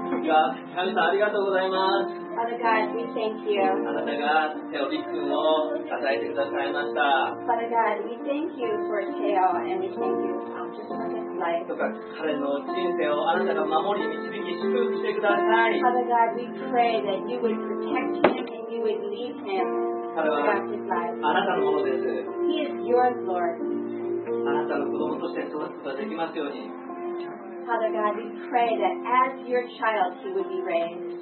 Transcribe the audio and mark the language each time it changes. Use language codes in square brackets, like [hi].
[ja] God, ありがとうございます。 [en] Father God, we thank you. [ja] あなたがテオビックを支えてくださいました。 [en] Father God, we thank you for Teo and we thank you for his life. [ja] 彼の人生をあなたが守り導き祝福してください。 [en] Father God, we pray that you would protect him and you would lead him throughout his life. [ja] あなたのものです。 [en] He is yours, Lord. [ja] あなたの子供として育つことができますように。 [en] Father God, we pray that as your child, he would be raised.